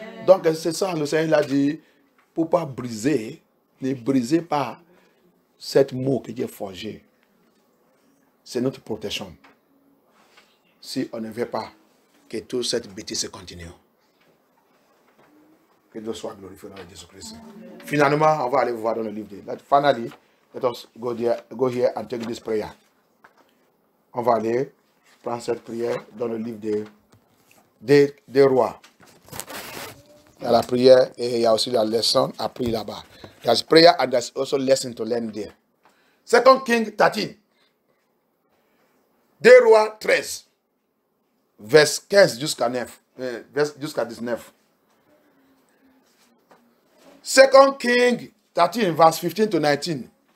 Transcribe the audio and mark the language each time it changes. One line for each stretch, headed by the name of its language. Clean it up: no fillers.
French: Donc c'est ça, le Seigneur l'a dit, pour ne pas briser, ne brisez pas cette mot que j'ai forgé. C'est notre protection. Si on ne veut pas que toute cette bêtise continue. Que Dieu soit glorifié dans le Jésus-Christ. Finalement, on va aller voir dans le livre de.
English: Finally, let us go here and take this prayer.
French: On va aller prendre cette prière dans le livre des rois. Il y a la prière et il y a aussi la leçon à prier là-bas.
English: There's prayer and there's also lesson to learn there. Second King 13.
French: Des rois 13. verse 15 jusqu'à 9. Jusqu'à 19.
English: 2 Kings 13, verse 15 to 19.